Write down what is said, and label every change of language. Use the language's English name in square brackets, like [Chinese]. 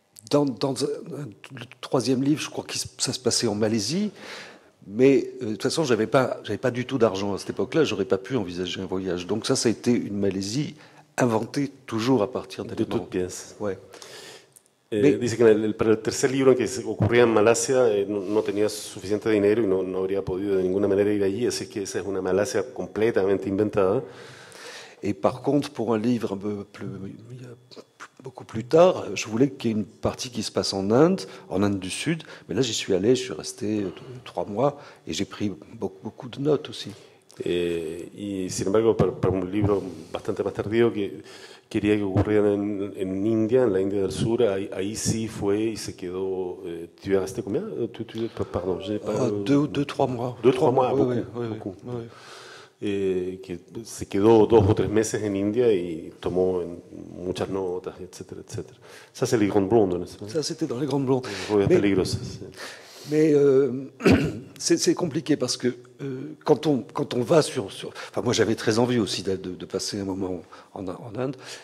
[French] Dans le troisième livre, je crois que ça se passait en Malaisie. Mais de toute façon, j'avais pas du tout d'argent à cette époque-là. J'aurais pas pu envisager un voyage. Donc ça a été une Malaisie inventée toujours à partir d'éléments. De toutes pièces. Ouais. [Spanish] Dice que para el tercer libro en que se ocurría en Malasia no tenía suficiente dinero y no habría podido de ninguna manera ir allí. Así que esa es una Malasia completamente inventada. [French] Et par contre, pour un livre un peu plus, beaucoup plus tard, je voulais qu'il y ait une partie qui se passe en Inde du Sud. Mais là, j'y suis allé, je suis resté 3 mois et j'ai pris beaucoup, beaucoup de notes aussi. [Spanish] Y sin embargo, para un libro bastante más tardío que quería que ocurriera en India, en la India del Sur, ahí sí fue y se quedó. ¿Tú eras de cómo? Perdón, [French] j'ai pas, deux, trois mois. Deux, trois mois, oui, beaucoup. Oui, oui. [Spanish] Que se quedó 2 o 3 meses en India y tomó muchas notas, etcétera, etcétera. [French] Ça, c'est les Grandes Blondes, n'est-ce pas? Ça, c'était dans les Grandes Blondes. [Spanish] Les Rouillas Peligrosas. [French] Mais c'est compliqué parce que quand on va sur... Enfin, moi, j'avais très envie aussi de passer un moment en Inde.